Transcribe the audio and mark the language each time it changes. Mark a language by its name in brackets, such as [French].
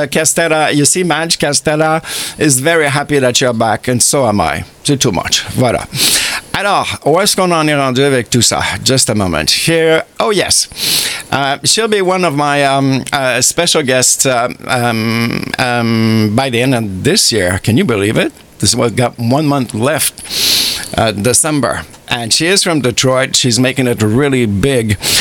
[English] Castella, you see, Madge, Castella is very happy that you're back, and so am I. [French] C'est [English] too much. [French] Voilà. Alors, où est-ce qu'on en est rendu avec tout ça? [English] Just a moment. Here, oh yes. She'll be one of my special guests by the end of this year. Can you believe it? This is what got 1 month left. December, and she is from Detroit. She's making it really big.